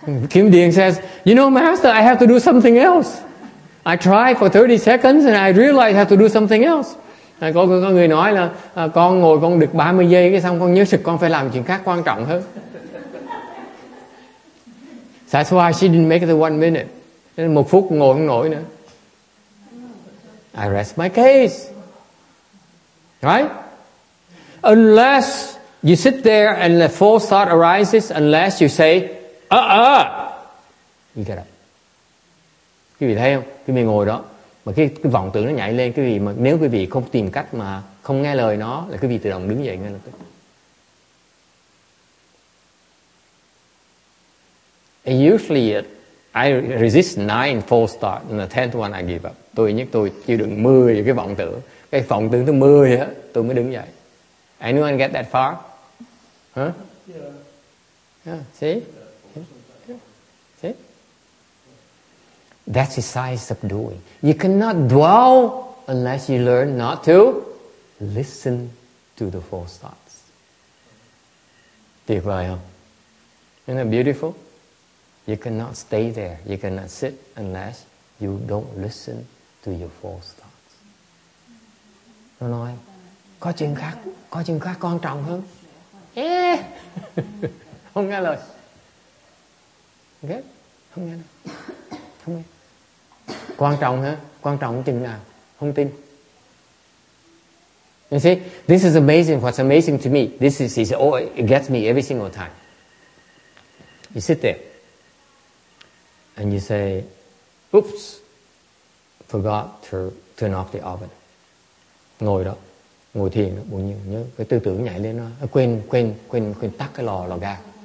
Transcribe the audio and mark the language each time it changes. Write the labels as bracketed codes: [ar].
[en] Kim Dieng says, you know, Master, I have to do something else. I try for 30 seconds and I realize I have to do something else. [vi] Có người nói là con ngồi con được 30 giây cái xong con nhớ sực con phải làm chuyện khác quan trọng hơn. [en] That's why she didn't make it the 1 minute. [vi] Một phút ngồi không nổi nữa. [en] I rest my case. Right? Unless you sit there and the false thought arises, unless you say, you get up. [vi] Quý vị thấy không? Quý vị ngồi đó. Mà cái vọng tưởng nó nhảy lên, quý vị mà nếu quý vị không tìm cách mà không nghe lời nó, là quý vị tự động đứng dậy ngay lập tức. [en] And usually I resist 9 false thoughts and the 10th one I give up. [vi] Tôi nhất tôi chịu đựng 10 cái vọng tưởng. Cái vọng tưởng thứ 10 á, tôi mới đứng dậy. [en] Anyone get that far? Huh? Yeah. See? That's the size of doing. You cannot dwell unless you learn not to listen to the false thoughts. [vi] Tuyệt vời không? [en] Isn't that beautiful? You cannot stay there. You cannot sit unless you don't listen to your false thoughts. [vi] Nó nói, có chuyện khác quan trọng hơn. Yeah. Không nghe lời. Okay. Không nghe lời. Không nghe. Quan trọng hả? Quan trọng chừng nào? Không tin. [en] You see, this is amazing. What's amazing to me, this is all, it gets me every single time. You sit there. And you say, oops, forgot to turn off the oven. [vi] Ngồi đó, ngồi thiền đó, bỗng nhiên nhớ cái tư tưởng nhảy lên nó, quên tắt cái lò ga.